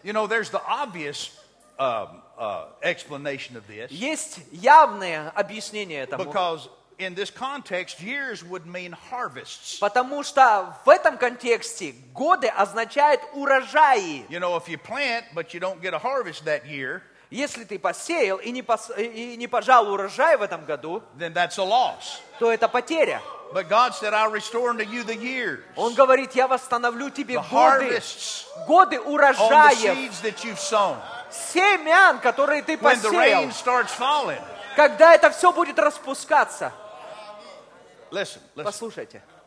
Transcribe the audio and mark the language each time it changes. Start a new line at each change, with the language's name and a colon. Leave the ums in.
English: You know, there's the obvious um, uh, explanation of this.
Russian: Есть явное объяснение этому.
English: Because in this context, years would mean harvests.
Russian: Потому что в этом контексте годы означают урожаи.
English: You know, if you plant but you don't get a harvest that year.
Russian: Если ты посеял и не, пос... и не пожал урожай в этом году, то это потеря. But God said, I'll restore unto you the years, Он говорит, я восстановлю тебе the годы, годы урожая, семян, которые ты посеял, когда это все будет распускаться. Listen, listen. Послушайте.